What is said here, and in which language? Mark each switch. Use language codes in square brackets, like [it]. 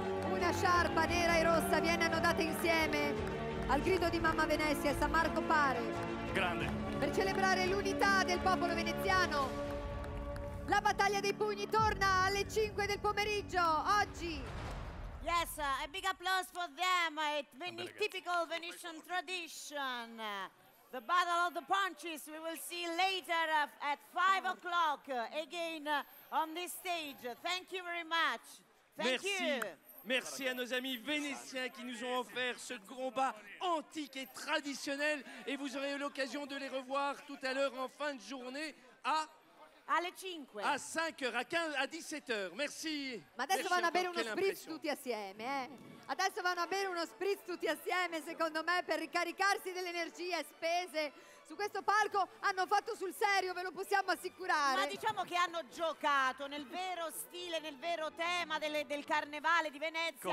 [it] Una sciarpa nera e rossa viene annodata insieme al grido di Mamma Venezia e San Marco Pare. Grande. Per celebrare l'unità del popolo veneziano. La battaglia dei pugni torna alle 5 del pomeriggio, oggi. [en] Yes, a big applause for them. Typical Venetian tradition. The Battle of the Punches we will see later at 5 o'clock again on this stage. Thank you very much. Thank [fr] Merci. [en] You. [fr] Merci à nos amis vénitiens qui nous ont offert ce combat antique et traditionnel. Et vous aurez l'occasion de les revoir tout à l'heure en fin de journée à... [it] Alle 5. [fr] À 5h, à 15, à 17h. Merci. [it] Ma adesso vanno a bere uno spritz tutti assieme, eh? Adesso vanno a bere uno spritz tutti assieme, secondo me, per ricaricarsi delle energie spese. Su questo palco hanno fatto sul serio, ve lo possiamo assicurare. Ma diciamo che hanno giocato nel vero stile, nel vero tema del carnevale di Venezia.